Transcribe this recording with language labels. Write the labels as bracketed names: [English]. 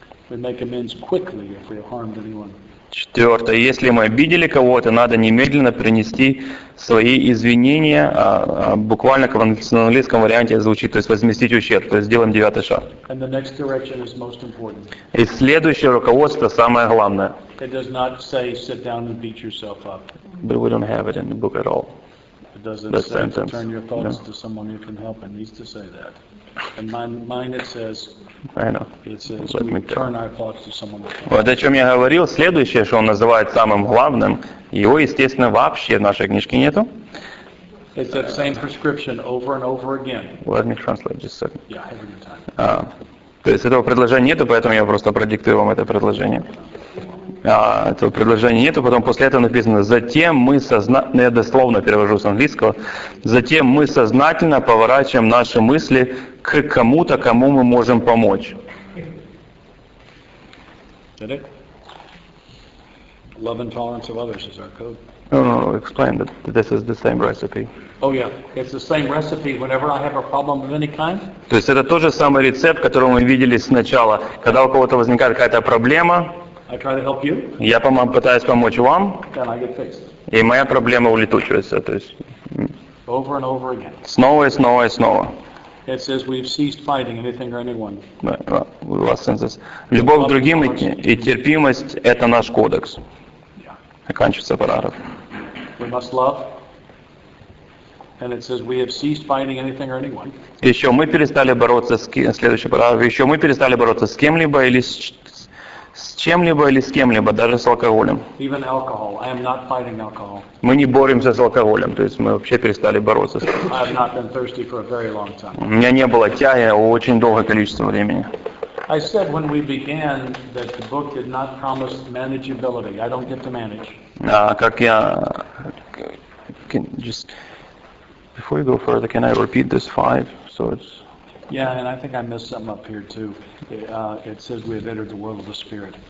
[English] We make amends quickly if we harmed anyone. [Russian] Четвертое. Если мы обидели кого-то, надо немедленно принести свои извинения. Буквально в англо-английском варианте звучит, то есть возместить ущерб. То есть сделаем девятый шаг. [English] And the next direction is most important. [Russian] И следующее руководство самое главное. [English] It does not say, sit down and beat yourself up. But we don't have it in the book at all. It doesn't say to turn your thoughts to someone who can help. It needs to say that. And mine it says... I know. It says Let we turn our thoughts to someone. [Russian] Вот о чем я говорил. Следующее, что он называет самым главным, его, естественно, вообще в нашей книжке нету. [English] It's that same prescription over and over again. Let me translate just a second. Yeah, I have your time. [Russian] То есть этого предложения нету, поэтому я просто продиктую вам это предложение. Этого предложения нету, потом после этого написано, затем мы сознательно, я дословно перевожу с английского, затем мы сознательно поворачиваем наши мысли к кому-то, кому мы можем помочь. [English] Did it? Love and tolerance of others is our code. No, explain that this is the same recipe. Oh yeah, it's the same recipe whenever I have a problem of any kind. [Russian] То есть это тот же самый рецепт, который мы видели сначала. Когда у кого-то возникает какая-то проблема, [English] I try to help you. [Russian] Я пытаюсь помочь вам, [English] then I get fixed. [Russian] И моя проблема улетучивается. То есть, [English] over and over again. [Russian] Снова и снова и снова. [English] It says we've ceased fighting anything or anyone. Right. Well, sense is, [Russian] любовь к другим и терпимость – это наш кодекс. Оканчивается параграф. [English] We must love. And it says we have ceased fighting anything or anyone. [Russian] Еще мы перестали бороться с кем-либо. Следующий параграф. Еще мы перестали бороться с кем-либо или с чем-либо или с кем-либо, даже с алкоголем. [English] Even alcohol. I am not fighting alcohol. [Russian] Мы не боремся с алкоголем, то есть мы вообще перестали бороться с этим. [English] I have not been thirsty for a very long time. [Russian] У меня не было тяги очень долгое количество времени. [English] I said when we began that the book did not promise manageability. I don't get to manage. [Russian] Как я... [English] Can just... Before you go further, can I repeat this five? So it's... Yeah, and I think I missed something up here too. It says we have entered the world of the Spirit.